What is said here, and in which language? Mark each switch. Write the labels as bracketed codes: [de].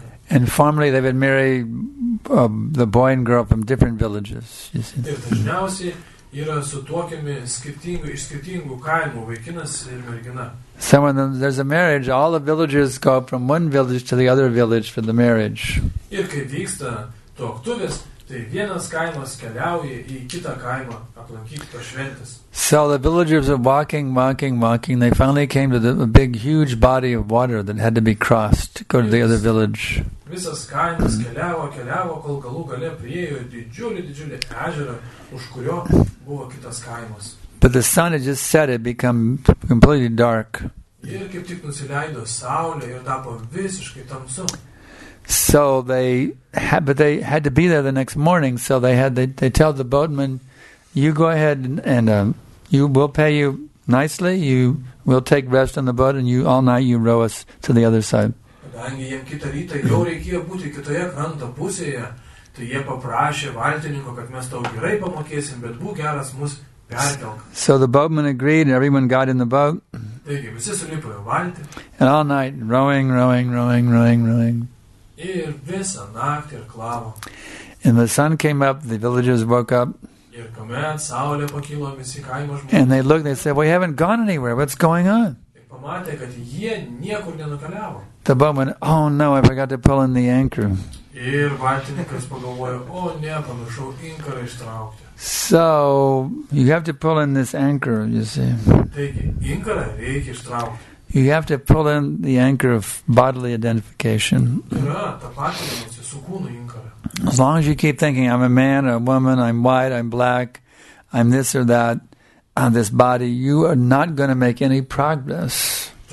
[en] And formerly they would marry the boy and girl from different villages, you see. [lt] yra sutuokiami skirtingų, iš skirtingų kaimų, vaikinas ir mergina. [en] So when there's a marriage, all the villagers go from one village to the other village for the marriage. [lt] Ir kai vyksta tuoktuvės, tai vienas kaimas keliauja į kitą kaimą aplankyti tos šventės. [en] So the villagers are walking, walking, walking. They finally came to a big, huge body of water that had to be crossed to go to the other village. [lt] Visas kaimas keliavo, keliavo, kol galų gale priejo didžiulį, didžiulį ežerą, už kurio buvo kitas kaimas. [en] But the sun had just set, it became completely dark. [lt] Ir kaip tik nusileido saulė ir tapo visiškai tamsu. [en] So they had, but they had to be there the next morning, so they had, they tell the boatman, you go ahead and you will pay you nicely, you will take rest on the boat and you all night you row us to the other side. [lt] Kadangi jiem kitą rytą jau reikėjo būti kitoje kranto pusėje, tai jie paprašė valtininko, kad mes tau gerai pamokėsim, bet būk geras mus perkelk. [en] So the boatman agreed and everyone got in the boat. [lt] Taigi, visi sulipo į valtį. [en] And all night rowing, rowing, rowing, rowing, rowing. [lt] Ir visą naktį irklavo. [en] And the sun came up, the villagers woke up. [lt] Ir kuomet saulė pakilo, visi kaimo žmonės. [en] And they looked, they said, we haven't gone anywhere, what's going on? [lt] Ir pamatė, kad jie niekur nenukeliavo. [en] The boatman, oh no, I forgot to pull in the anchor. [lt] Ir valtininkas pagalvojo, o ne, pamiršau inkarą ištraukti. [en] So, you have to pull in this anchor, you see. [lt] Taigi, inkarą reikia ištraukti. [en] You have to pull in the anchor of bodily identification. As long as you keep thinking, I'm a man or a woman, I'm white, I'm black, I'm this or that, on this body, you are not going to make any progress.